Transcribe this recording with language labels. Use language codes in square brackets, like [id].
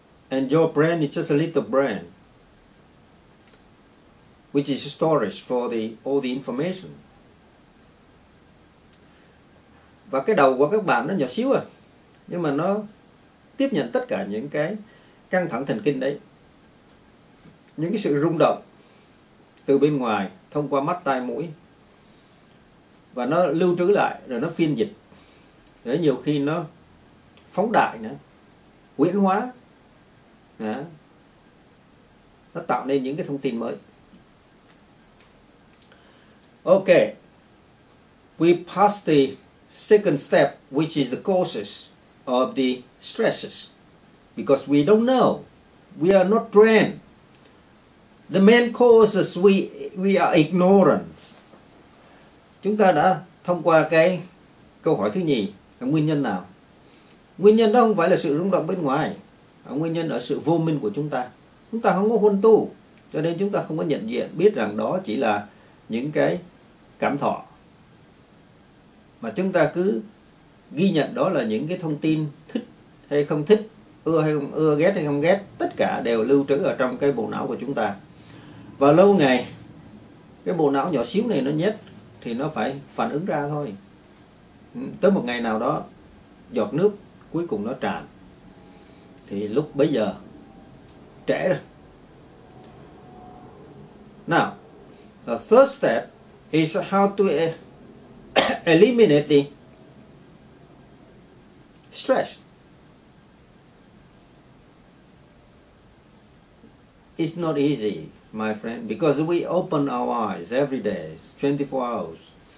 [en] And your brain is just a little brain which is storage for the all the information. [vi] Và cái đầu của các bạn nó nhỏ xíu à, nhưng mà nó tiếp nhận tất cả những cái căng thẳng thần kinh đấy, những cái sự rung động từ bên ngoài thông qua mắt, tai, mũi, và nó lưu trữ lại rồi nó phiên dịch, để nhiều khi nó phóng đại nữa, huyễn hóa đó. Nó tạo nên những cái thông tin mới. [en] Ok, we pass the second step, which is the causes of the stresses, because we don't know, we are not trained. The main causes we are ignorant. [vi] Chúng ta đã thông qua cái câu hỏi thứ nhì là nguyên nhân nào. Nguyên nhân đó không phải là sự rung động bên ngoài, nguyên nhân ở sự vô minh của chúng ta. Chúng ta không có huân tu cho nên chúng ta không có nhận diện biết rằng đó chỉ là những cái cảm thọ, mà chúng ta cứ ghi nhận đó là những cái thông tin thích hay không thích, ưa hay không ưa, ghét hay không ghét, tất cả đều lưu trữ ở trong cái bộ não của chúng ta. Và lâu ngày cái bộ não nhỏ xíu này nó nhét thì nó phải phản ứng ra thôi. Tới một ngày nào đó giọt nước cuối cùng nó tràn, thì lúc bấy giờ trễ rồi. [en] Now, the third step is how to eliminate the stress. It's not easy, my friend, because we open our eyes every day, 24 hours.